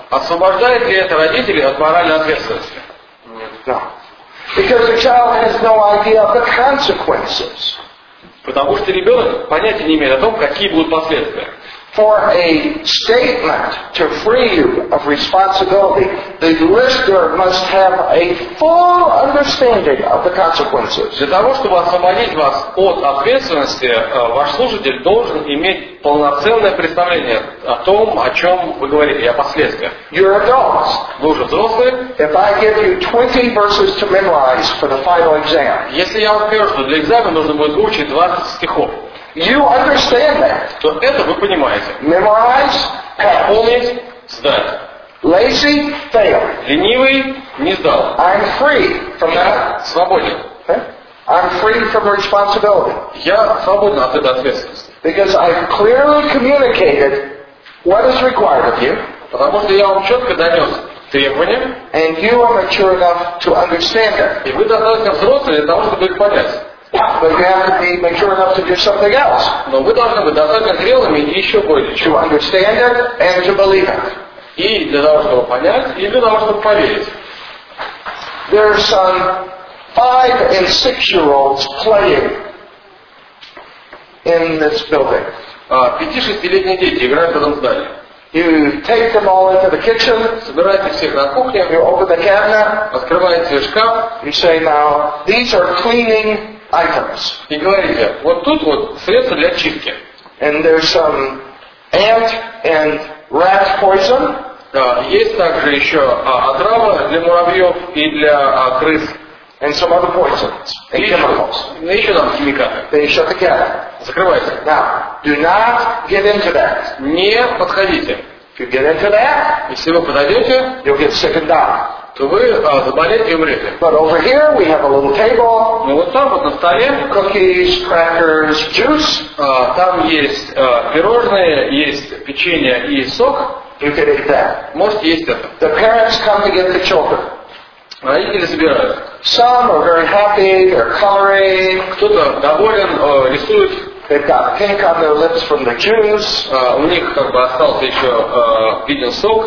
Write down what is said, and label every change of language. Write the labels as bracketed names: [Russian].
[Russian] Освобождает ли это родителей от моральной ответственности? Нет. [English] No. Because the child has no idea of the consequences. [Russian] Потому что ребенок понятия не имеет о том, какие будут последствия. [English] For a statement to free you of responsibility, the listener must have a full understanding of the consequences. [Russian] Для того, чтобы освободить вас от ответственности, ваш слушатель должен иметь полноценное представление о том, о чем вы говорите, о последствиях. [English] You're adults. [Russian] Вы уже взрослые. [English] If I give you 20 verses to memorize for the final exam. [Russian] Если я вам скажу, что для экзамена нужно будет выучить 20 стихов. [English] You understand that. [Russian] То это вы понимаете. [English] Memorize, pass. [Russian] Помнить, сдать. [English] Lazy, fail. [Russian] Ленивый, не сдал. [English] I'm free from that. [Russian] Свободен. [English] Okay? I'm free from responsibility. [Russian] Я свободен от этой ответственности. [English] Because I've clearly communicated what is required of you. [Russian] Потому что я вам четко донес требования. [English] And you are mature enough to understand that. [Russian] И вы достаточно взрослые для того, чтобы их понять. [English] But you have to be mature enough to do something else. [Russian] Но вы должны быть достаточно зрелыми и еще более. [English] To understand it and to believe it. [Russian] И для того, чтобы понять, и для того, чтобы поверить. [English] There's some 5- and 6-year-olds playing in this building. [Russian] 5-6-летние дети играют в этом здании. [English] You take them all into the kitchen. [Russian] Собираете всех на кухне. [English] You open the cabinet. [Russian] Открываете шкаф. [English] You say, now these are cleaning. [Russian] И говорите, вот тут вот средства для чистки. [English] And there's some ant and rat poison. [Russian] Есть также еще отрава для муравьев и для крыс. [English] And some other poisons and chemicals. [Russian] Еще там химикаты. [English] Then you shut the cat. [Russian] Закрывайте. [English] Now, do not get into that. [Russian] Не подходите. [English] If you get into that, [Russian] если вы подойдете, [English] you'll get sick and die. [Russian] То вы заболеете и умрете. [English] But over here we have a little table. [Russian] Ну вот там вот на столе [English] cookies, crackers, juice. [Russian] Там есть пирожные, есть печенье и сок. [English] You can eat that. [Russian] Можете есть это. [English] The parents come to get the children. [Russian] Родители забирают. [English] Some are very happy, they're coloring. [Russian] Кто-то доволен, рисует. [English] They've got pink on their lips from the juice. [Russian] У них как бы остался еще виден сок.